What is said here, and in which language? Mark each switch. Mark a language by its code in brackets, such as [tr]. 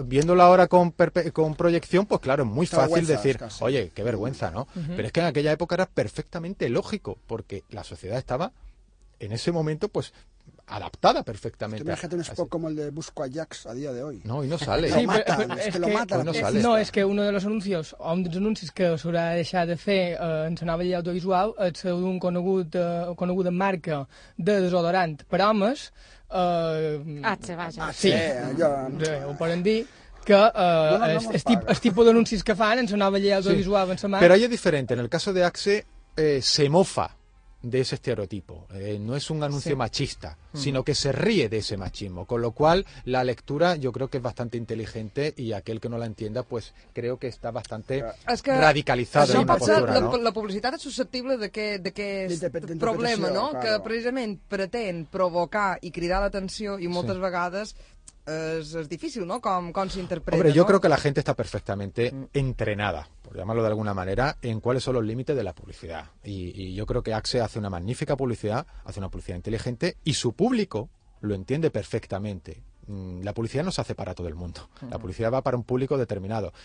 [es] Viéndolo ahora con proyección, pues claro, es muy fácil decir, oye, qué vergüenza, ¿no? Pero es que en aquella época era perfectamente lógico, porque la sociedad estaba, en ese momento, pues... adaptada perfectamente. Es que imagínate un spot como el de Busco a Jax a día de hoy. No, y no sale. Sí, lo matan. No, es que uno de los anuncios, [ca] o un dels anuncis que s'haurà de deixar de fer en la nova llei audiovisual, és el d'un conegut en marca de desodorant per homes. Ho poden dir. Que el tipus d'anuncis que fan en la nova llei audiovisual en la marca. Però ahí es diferent. [es] En el cas de Axe, se mofa de ese estereotipo. No es un anuncio machista, sino que se ríe de ese machismo. Con lo cual, la lectura yo creo que es bastante inteligente y aquel que no la entienda, pues creo que está bastante radicalizado en la postura. [ca] La publicitat és susceptible d'aquest problema, no? Que precisament pretén provocar i cridar l'atenció i moltes vegades és difícil, no?, com s'interpreta. [es] Hombre, yo creo que la gente está perfectamente entrenada, por llamarlo de alguna manera, en cuáles son los límites de la publicidad. Y yo creo que Axe hace una magnífica publicidad, hace una publicidad inteligente, y su público lo entiende perfectamente. La publicidad no se hace para todo el mundo. La publicidad va para un público determinado.